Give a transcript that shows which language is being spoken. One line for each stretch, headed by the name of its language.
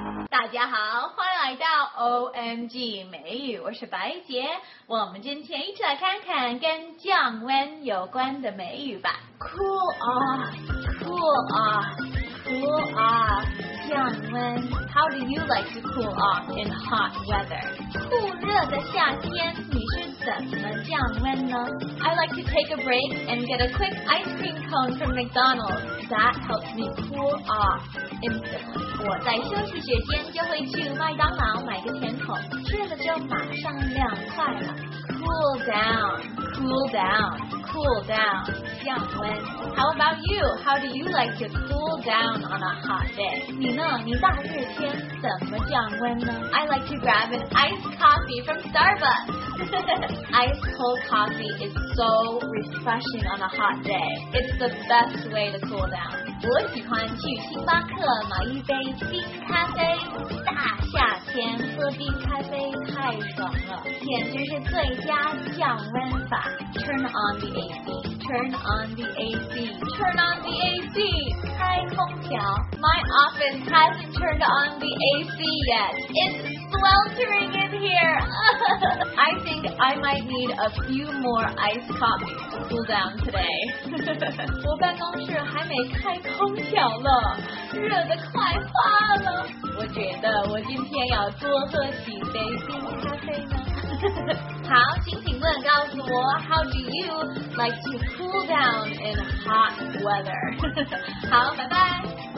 Chinese: 大家好，欢迎来到 OMG 美语，我是白杰。我们今天一起来看看跟降温有关的美语吧。
English: Cool off, cool off, cool off.
Chinese: 降温
English: How do you like to cool off in hot weather?
Chinese: 酷热的夏天你是怎么降温呢
English: I like to take a break and get a quick ice cream cone from McDonald's. That helps me cool off instantly.
Chinese: 我在休息时间就会去麦当劳买个甜筒吃了就马上凉快了
English: Cool down, cool down, cool down. How about you? How do you like to cool down on a hot day?
Chinese: 你呢？你大热天怎么降温呢？
English: I like to grab an iced coffee from Starbucks. Ice cold coffee is so refreshing on a hot day. It's the best way to cool down.
Chinese: 我喜欢去星巴克买一杯冰咖啡。大夏天喝冰咖啡太爽了，简直是最佳降温法。
English: Turn on the AC. Turn on the AC. Turn on the AC.
Chinese: 开空调
English: My office hasn't turned on the AC yet. It's sweltering in here. I think I might need a few more iced coffees to cool down today.
Chinese: 我办公室还没开空调呢，热得快化了。我觉得我今天要多喝几杯冰咖啡呢。好，请评论告诉我
English: How do you like to cool down in hot weather?
Chinese: 好，拜拜。